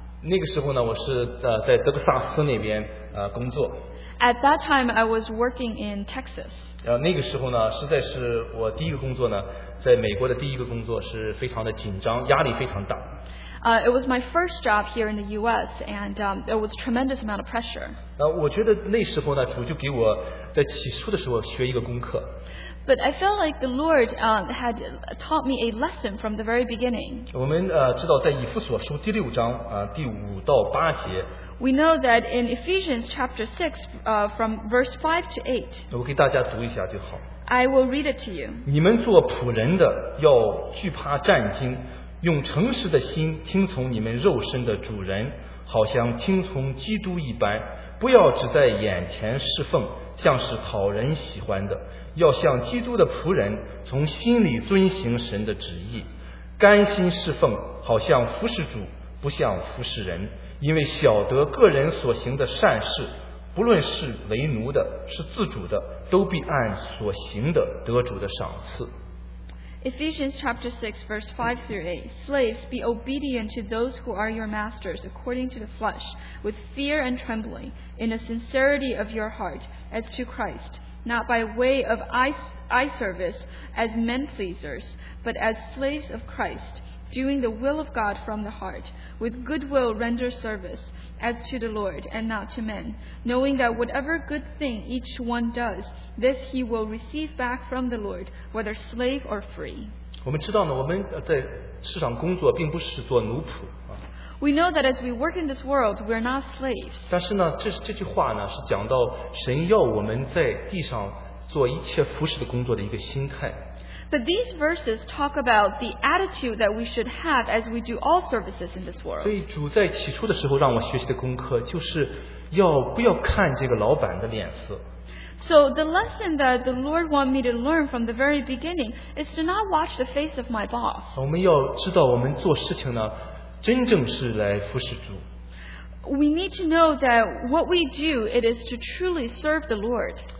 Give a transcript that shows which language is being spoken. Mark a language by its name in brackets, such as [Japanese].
[Chinese] 那个时候呢，我是在德克萨斯那边工作。 [English] At that time, I was working in Texas. [Chinese] 那个时候呢，实在是我第一个工作呢，在美国的第一个工作是非常的紧张，压力非常大。 [English] It was my first job here in the U.S., and there was a tremendous amount of pressure. [Chinese] 我觉得那时候呢，主就给我在起初的时候学一个功课。 [English] But I felt like the Lord had taught me a lesson from the very beginning. [Chinese] 我们知道在以弗所书第六章第五到八节。 [English] We know that in Ephesians chapter 6, from verse 5 to 8. [Chinese] 我给大家读一下就好。 [English] I will read it to you. [Chinese] 你们做仆人的要惧怕战惊。用诚实的心听从你们肉身的主人，好像听从基督一般，不要只在眼前侍奉，像是讨人喜欢的，要像基督的仆人，从心里遵行神的旨意，甘心侍奉，好像服侍主，不像服侍人，因为晓得个人所行的善事，不论是为奴的，是自主的，都必按所行的得主的赏赐。 [English] Ephesians chapter 6 verse 5 through 8. Slaves, be obedient to those who are your masters according to the flesh, with fear and trembling, in the sincerity of your heart, as to Christ, not by way of eye service as men pleasers, but as slaves of Christ, doing the will of God from the heart, with good will render service, as to the Lord and not to men, knowing that whatever good thing each one does, this he will receive back from the Lord, whether slave or free. [Chinese] 我们知道呢，我们在世上工作并不是做奴仆。 [English] We know that as we work in this world, we are not slaves. [Chinese] 但是呢，这句话呢，是讲到神要我们在地上做一切服事的工作的一个心态。 [English] But these verses talk about the attitude that we should have as we do all services in this world. [Chinese] 所以主在起初的时候让我学习的功课就是要不要看这个老板的脸色。 [English] So the lesson that the Lord wanted me to learn from the very beginning is to not watch the face of my boss. [Chinese] 我们要知道我们做事情呢。真正是来服侍主。 [English] We need to know that what we do, it is to truly serve the Lord.